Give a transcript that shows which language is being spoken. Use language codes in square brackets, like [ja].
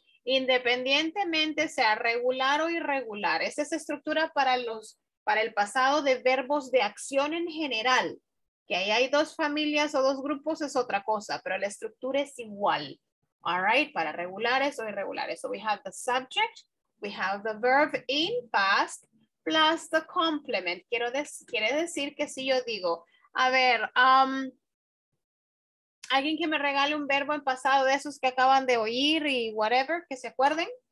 [es] Independientemente sea regular o irregular. Esa es estructura para los para el pasado de verbos de acción en general. Que ahí hay dos familias o dos grupos es otra cosa, pero la estructura es igual. [en] All right, [es] para regulares o irregulares. [en] So we have the subject, we have the verb in past, plus the complement. [es] Quiere decir que si yo digo, a ver, alguien que me regale un verbo en pasado de esos que acaban de oír y whatever, que se acuerden.